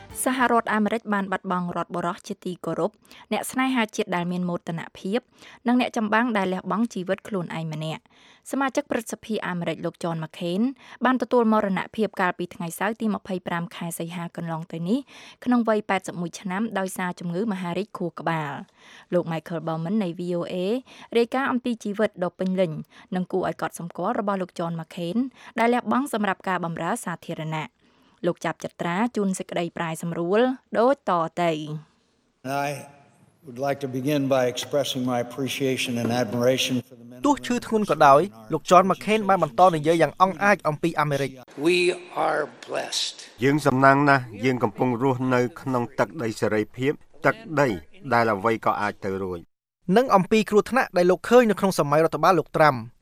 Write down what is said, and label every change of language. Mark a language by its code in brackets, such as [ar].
[km] សហរដ្ឋអាមេរិកបានបាត់បង់រដ្ឋបរោះជាទីគោរពអ្នកស្នេហាជាតិដែលមានមោទនភាពនិងអ្នកចម្បាំងដែលលះបង់ជីវិតខ្លួនឯងម្នាក់សមាជិកព្រឹទ្ធសភាអាមេរិកលោកJohn McCain បានទទួលមរណភាពកាលពីថ្ងៃសៅរ៍ទី25ខែសីហាកន្លងទៅនេះក្នុងវ័យ81ឆ្នាំដោយសារជំងឺមហារីកខួរក្បាល លោក Michael Bowman នៃ VOA រាយការណ៍អំពីជីវិតដ៏ពេញលេញនិងគួរឲ្យកត់សម្គាល់របស់លោកJohn McCain ដែលលះបង់សម្រាប់ការបម្រើសាធារណៈលោកចាប់ចត្រាជួនសេចក្តីប្រាយសម្រួលដូចតទៅ [en] I would like to begin by expressing my appreciation and admiration for the men [km] ទោះឈឺធ្ងន់ក៏ដោយលោកJohn McCain បានបន្តនិយាយយ៉ាងអង់អាចអំពីអាមេរិក [en] We are blessed [km] យើងសំណាងណាស់យើងកំពុងរស់នៅក្នុងទឹកដីសេរីភាពទឹកដីដែលអ្វីក៏អាចទៅរួច នឹងអំពីគ្រោះថ្នាក់ដែលលោកឃើញនៅក្នុងសម័យរដ្ឋបាលលោកត្រាំ